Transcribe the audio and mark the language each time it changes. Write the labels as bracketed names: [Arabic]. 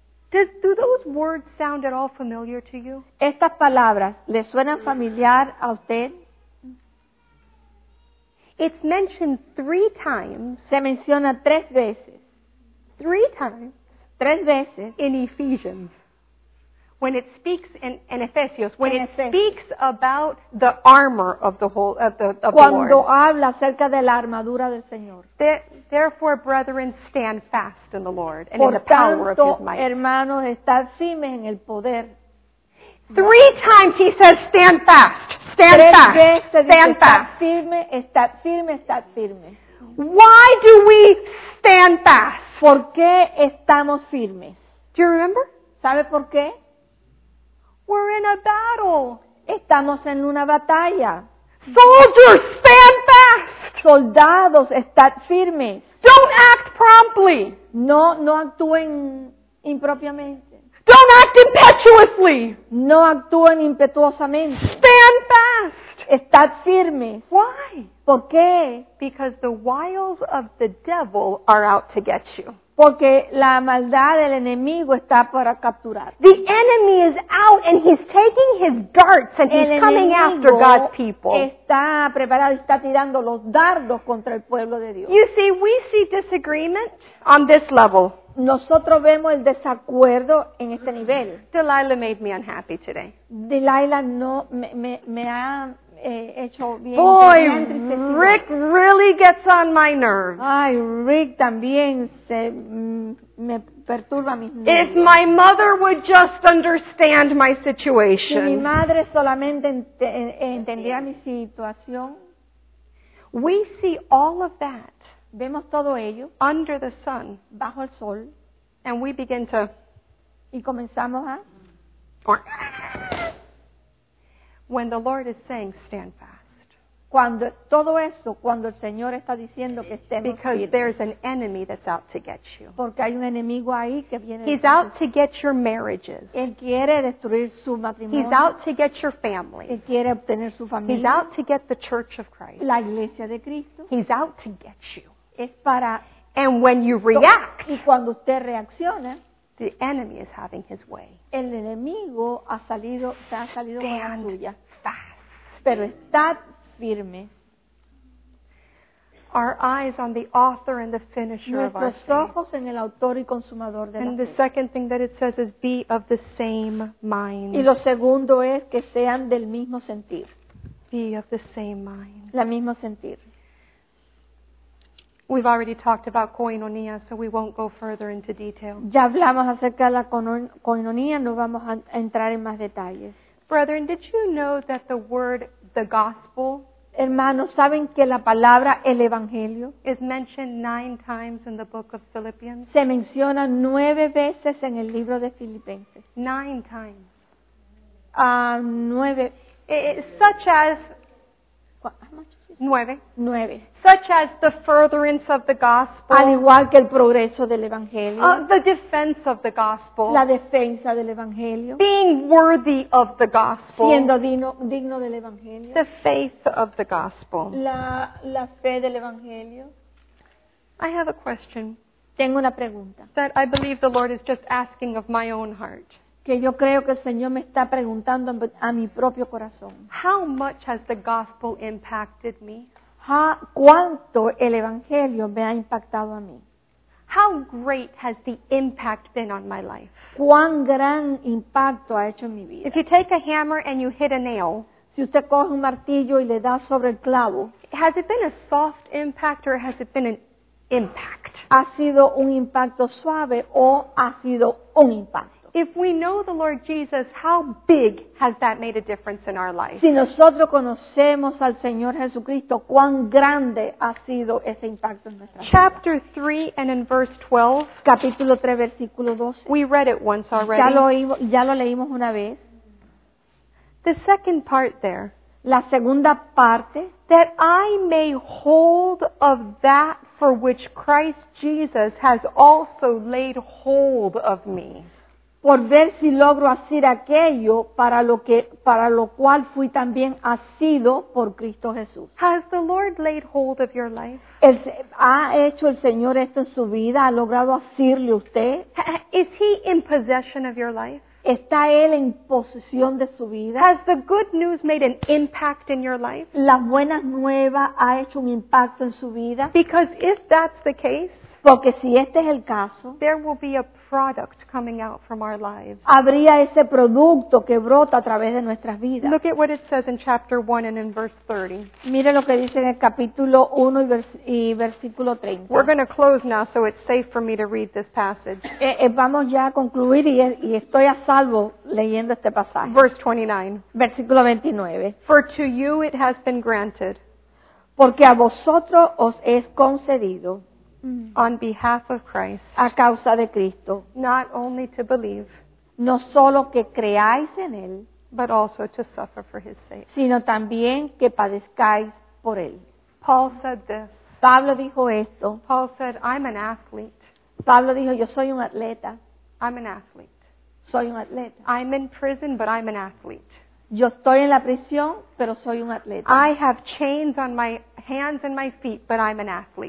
[English] Do those words sound at all familiar to you? [Spanish] ¿Estas palabras le suenan familiar a usted? [English] It's mentioned 3 times. [Spanish] Se menciona 3 veces. [English] 3 times. [Spanish] 3 veces. [English] In Ephesians. When it speaks in Ephesians. When it speaks about the armor of the whole of the of [Spanish] cuando [English] the Lord. [Spanish] Cuando habla acerca de la armadura del Señor. [English] Therefore, brethren, stand fast in the Lord and [Spanish] por [English] in the power [Spanish] tanto, [English] of His might. [Spanish] Hermanos, estad firmes en el poder. [English] 3 times he says, stand fast, stand [Spanish] tres [English] fast, [Spanish] veces [English] stand [Spanish] dice, [English] fast. [Spanish] Estad firme, estad firme, estad firme. [English] Why do we stand fast? [Spanish] ¿Por qué estamos firmes? [English] Do you remember? [Spanish] ¿Sabe por qué? [English] We're in a battle. [Spanish] Estamos en una batalla. [English] Soldiers, stand fast. [Spanish] Soldados, estad firmes. [English] Don't act promptly. [Spanish] No actúen impropiamente. [English] Don't act impetuously. [Spanish] No actúen impetuosamente. [English] Stand fast. [Spanish] Estad firmes. [English] Why? [Spanish] ¿Por qué? [English] Because the wiles of the devil are out to get you. [Spanish] Porque la maldad del enemigo está para capturar. [English] The enemy is out and he's taking his darts and [Spanish] el [English] he's coming after God's people. [Spanish] Está preparado, está tirando los dardos contra el pueblo de Dios. [English] You see, we see disagreement on this level. [Spanish] Nosotros vemos el desacuerdo en este nivel. [English] Delilah made me unhappy today. [Spanish] Delilah no me ha hecho bien. [English] Boy, Rick really gets on my nerves. [Spanish] Ay, Rick también se me perturba mis nervios. [English] If my mother would just understand my situation. [Spanish] Si mi madre solamente entendiera mi situación. [English] We see all of that. [Spanish] Vemos todo ello [English] under the sun, [Spanish] bajo el sol, [English] and we begin to, [Spanish] y comenzamos a, [English] or, when the Lord is saying stand fast, [Spanish] cuando todo eso, cuando el Señor está diciendo que estemos firmes, [English] because there's an enemy that's out to get you, [Spanish] porque hay un enemigo ahí que viene, [English] he's out to get your marriages, [Spanish] él quiere destruir su matrimonio, [English] he's out to get your family, [Spanish] él quiere obtener su familia, [English] he's out to get the church of Christ, [Spanish] la iglesia de Cristo, [English] he's out to get you. [Spanish] Es para, [English] and when you react, [Spanish] y cuando usted reacciona, [English] the enemy is having his way. [Spanish] El enemigo ha salido, se ha salido [English] stand [Spanish] con la suya. [English] Fast. [Spanish] Pero estad firme. [English] Our eyes on the author and the finisher [Spanish] nuestros [English] of our faith. [Spanish] Nuestros ojos en el autor y consumador de [English] and [Spanish] la [English] the [Spanish] fe. [English] Second thing that it says is be of the same mind. [Spanish] Y lo segundo es que sean del mismo sentir. [English] Be of the same mind. [Spanish] La mismo sentir. [English] We've already talked about koinonia, so we won't go further into detail. [Spanish] Ya hablamos acerca de la koinonia, no vamos a entrar en más detalles. [English] Brethren, did you know that the word the gospel, [Spanish] Hermanos, ¿saben que la palabra el evangelio [English] is mentioned 9 times in the book of Philippians? [Spanish] Se menciona 9 veces en el libro de Filipenses. [English] 9 times. [Spanish] 9. [English] Such as [Spanish] nueve. [English] Such as the furtherance of the gospel. [Spanish] Al igual que el progreso del evangelio. [English] The defense of the gospel. [Spanish] La defensa del evangelio. [English] Being worthy of the gospel. [Spanish] Siendo digno del evangelio. [English] The faith of the gospel. [Spanish] La fe del evangelio. [English] I have a question. [Spanish] Tengo una pregunta. [English] That I believe the Lord is just asking of my own heart. [Spanish] Que yo creo que el Señor me está preguntando a mi propio corazón. [English] How much has the gospel impacted me? [Spanish] ¿Cuánto el evangelio me ha impactado a mí? [English] How great has the impact been on my life? [Spanish] ¿Cuán gran impacto ha hecho en mi vida? [English] If you take a hammer and you hit a nail, [Spanish] si usted coge un martillo y le da sobre el clavo, [English] has it been a soft impact or has it been an impact? [Spanish] ¿Ha sido un impacto suave o ha sido un impacto? [English] If we know the Lord Jesus, how big has that made a difference in our life? [Spanish] Si nosotros conocemos al Señor Jesucristo, ¿cuán grande ha sido ese impacto en nuestra vida? [English] Chapter 3 and in verse 12. [Spanish] Capítulo 3, versículo 12. [English] We read it once already. [Spanish] Ya lo leímos una vez. [English] The second part there. [Spanish] La segunda parte. [English] That I may hold of that for which Christ Jesus has also laid hold of me. [Spanish] Por ver si logro hacer aquello para lo cual fui también asido por Cristo Jesús. [English] Has the Lord laid hold of your life? [Spanish] ¿Ha hecho el Señor esto en su vida? ¿Ha logrado asirle usted? [English] Is he in possession of your life? [Spanish] ¿Está él en posesión de su vida? [English] Has the good news made an impact in your life? [Spanish] ¿La buena nueva ha hecho un impacto en su vida? [English] Because if that's the case, [Spanish] porque si este es el caso, [English] there will be a product coming out from our lives. [Spanish] Habría ese producto que brota a través de nuestras vidas. [English] Look at what it says in chapter 1 and in verse 30. [Spanish] Mire lo que dice en el capítulo 1 y versículo 30. [English] We're going to close now, so it's safe for me to read this passage. [Spanish] Vamos ya a concluir y estoy a salvo leyendo este pasaje. [English] Verse 29. [Spanish] Versículo 29. [English] For to you it has been granted. [Spanish] Porque a vosotros os es concedido. [English] On behalf of Christ, [Spanish] a causa de Cristo, [English] not only to believe, [Spanish] no solo que creáis en él, [English] but also to suffer for his sake, [Spanish] sino también que padezcáis por él. [English] Paul said this. [Spanish] Pablo dijo esto. [English] Paul said, I'm an athlete. [Spanish] Pablo dijo, yo soy un atleta. [English] I'm an athlete. [Spanish] Soy un atleta. [English] I'm in prison, but I'm an athlete. [Spanish] Yo estoy en la prisión, pero soy un atleta. [English] I have chains on my hands and my feet, but I'm an athlete.